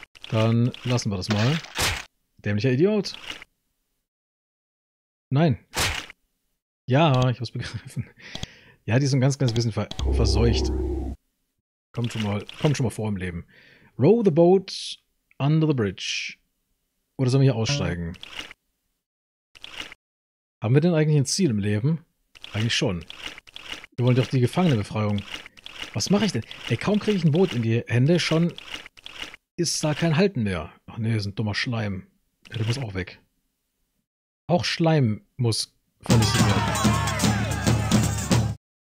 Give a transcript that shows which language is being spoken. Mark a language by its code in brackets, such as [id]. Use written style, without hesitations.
[de] Dann lassen wir das mal. Dämlicher Idiot. Nein. Ja, ich hab's begriffen. Ja, die sind ganz, ganz bisschen verseucht. Kommt schon mal vor im Leben. [en] Row the boat under the bridge. [de] Oder sollen wir hier aussteigen? Haben wir denn eigentlich ein Ziel im Leben? Eigentlich schon. Wir wollen doch die Gefangenenbefreiung. Was mache ich denn? Ey, kaum kriege ich ein Boot in die Hände, schon ist da kein Halten mehr. Ach nee, ist ein dummer Schleim. Ja, der muss auch weg. Auch Schleim muss vernichtet werden.